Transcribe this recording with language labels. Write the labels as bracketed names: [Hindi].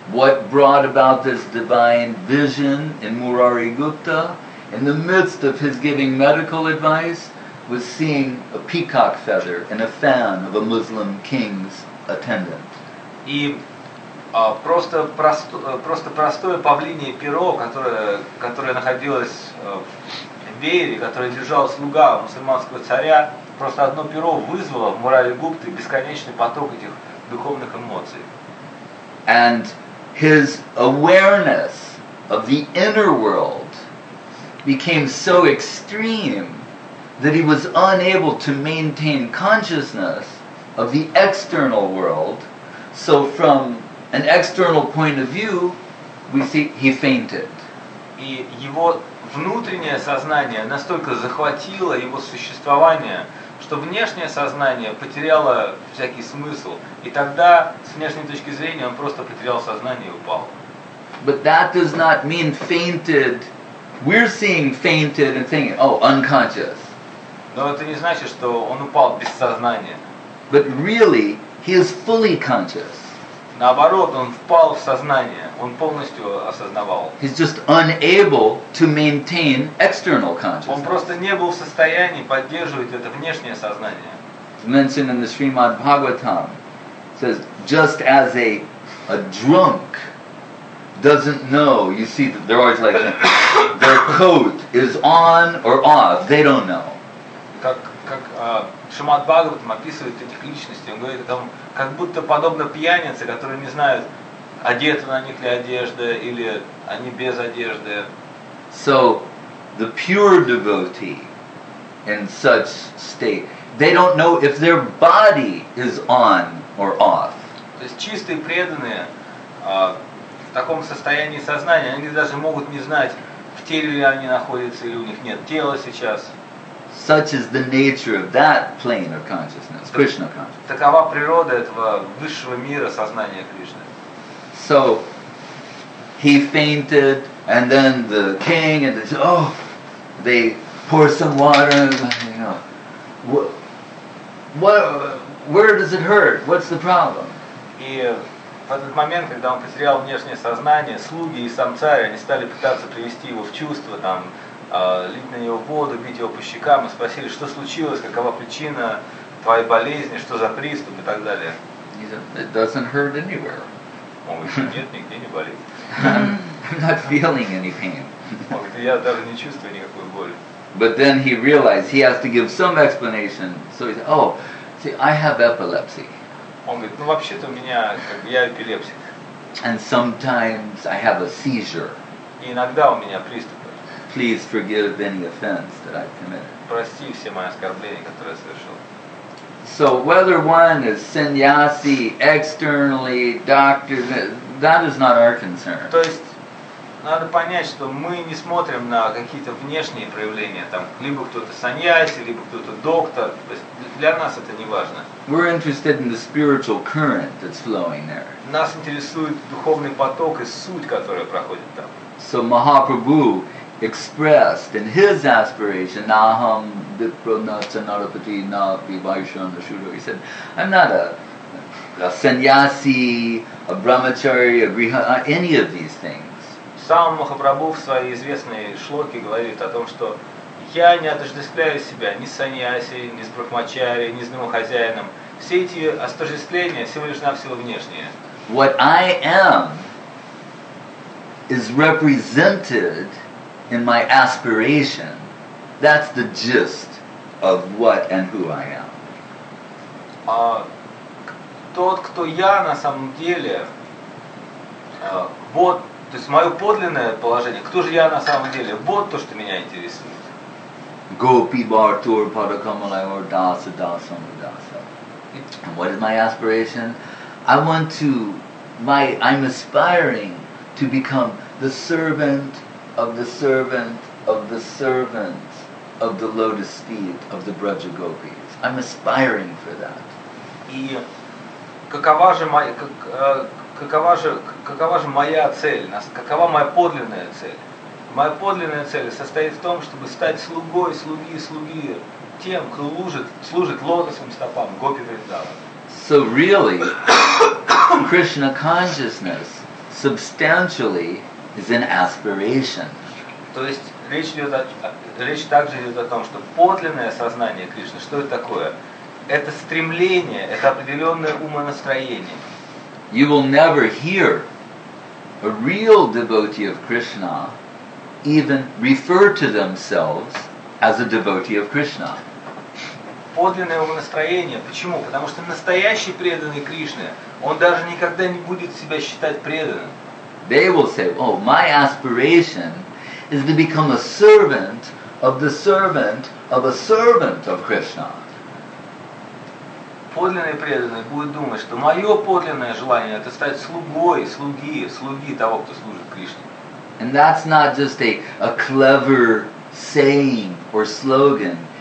[English] What brought about this divine vision in Murari Gupta, in the midst of his giving medical advice, was seeing a peacock feather in a fan of a Muslim king's attendant. [Russian] И просто простое павлинье перо, которое находилось в веере, которое держал слуга мусульманского царя, просто одно перо вызвало в Мурари Гупте бесконечный поток этих духовных эмоций. [English] And his awareness of the inner world became so extreme that he was unable to maintain consciousness of the external world. So from an external point of view, we see he fainted. [Russian] И его внутреннее сознание настолько захватило его существование, что внешнее сознание потеряло всякий смысл. И тогда, с внешней точки зрения, он просто потерял сознание и упал. [English] But that does not mean fainted. We're seeing fainted and thinking, oh, unconscious. [Russian] Но это не значит, что он упал без сознания. [English] But really, he is fully conscious. [Russian] Наоборот, он впал в сознание, он полностью осознавал. [English] He's just unable to maintain external consciousness. [Russian] Он просто не был в состоянии поддерживать это внешнее сознание. [English] Mentioned in the Srimad Bhagavatam, says, just as a drunk doesn't know, you see, they're always like, their coat is on or off, they don't know. [Russian] Как Шримад Бхагаватам описывает этих личностей, он говорит, там, как будто подобно пьянице, которые не знают, одета на них ли одежда, или они без одежды. [English] So, the pure devotee in such state, they don't know if their body is on or off. [Russian] То есть чистые преданные в таком состоянии сознания, они даже могут не знать, в теле ли они находятся, или у них нет тела сейчас. [English] Such is the nature of that plane of consciousness, Krishna consciousness. [Russian] Такова природа этого высшего мира сознания Кришны. [English] So he fainted, and then the king and they, oh, they pour some water. And, you know, what? Where does it hurt? What's the problem? [Russian] И в этот момент, когда он потерял внешнее сознание, слуги и сам царь, они стали пытаться привести его в чувство, там. Лить на него воду, бить его по щекам и спросили, что случилось, какова причина твоей болезни, что за приступ и так далее. [English] It doesn't hurt anywhere. [Russian] Он говорит, нет, нигде не болит. [English] I'm not feeling any pain. [Russian] Он говорит, я даже не чувствую никакой боли. [English] But then he realized he has to give some explanation. So he said, oh, see, I have epilepsy. [Russian] Он говорит, ну вообще-то у меня, как бы, я эпилепсик. [English] And sometimes I have a seizure. [Russian] И иногда у меня приступ. [English] Please forgive any offense that I've committed. [Russian] Прости все мои оскорбления, которые я совершил. [English] So whether one is sannyasi externally, doctor, that is not our concern. [Russian] То есть надо понять, что мы не смотрим на какие-то внешние проявления, там либо кто-то саньяси, либо кто-то доктор. То есть для нас это не важно. [English] We're interested in the spiritual current that's flowing there. [Russian] Нас интересует духовный поток и суть, которая проходит там. [English] So Mahaprabhu expressed in his aspiration, [Sanskrit] Naham Dipranatsa Narapati Napi Vaishana Shudra. [English] He said, I'm not a sannyasi, a brahmachari, a griha, any of these things. [Russian] Сам Махапрабху в своей известной шлоке говорит о том, что я не отождествляю себя ни с саньяси, ни с брахмачари, ни с домохозяином. Все эти отождествления всего лишь навсего внешние. [English] What I am is represented in my aspiration, that's the gist of what and who I am. [Russian] Тот, кто я на самом деле, вот, то есть мое подлинное положение, кто же я на самом деле, вот то, что меня интересует. [Sanskrit] Gopi Bhartur Padakamalayor Dasa Dasa Dasa. [English] And what is my aspiration? I'm aspiring to become the servant of the servant of the servant of the lotus feet of the Braja Gopis. I'm aspiring for that. [Russian] И какова же моя какова же моя цель? Какова моя подлинная цель? Моя подлинная цель состоит в том, чтобы стать слугой слуги тем, кто служит лотосным стопам Гопи Вриндава. [English] So really, Krishna consciousness substantially is an aspiration. [Russian] То есть речь также идет о том, что подлинное сознание Кришны, что это такое? Это стремление, это определенное умонастроение. [English] You will never hear a real devotee of Krishna even refer to themselves as a devotee of Krishna. [Russian] Подлинное умонастроение. Почему? Потому что настоящий преданный Кришне, он даже никогда не будет себя считать преданным. [English] They will say, oh, my aspiration is to become a servant of the servant of a servant of Krishna. [Russian] Подлинный преданный будет думать, что мое подлинное желание это стать слугой, слуги того, кто служит Кришне. [English] And that's not just a clever saying or slogan.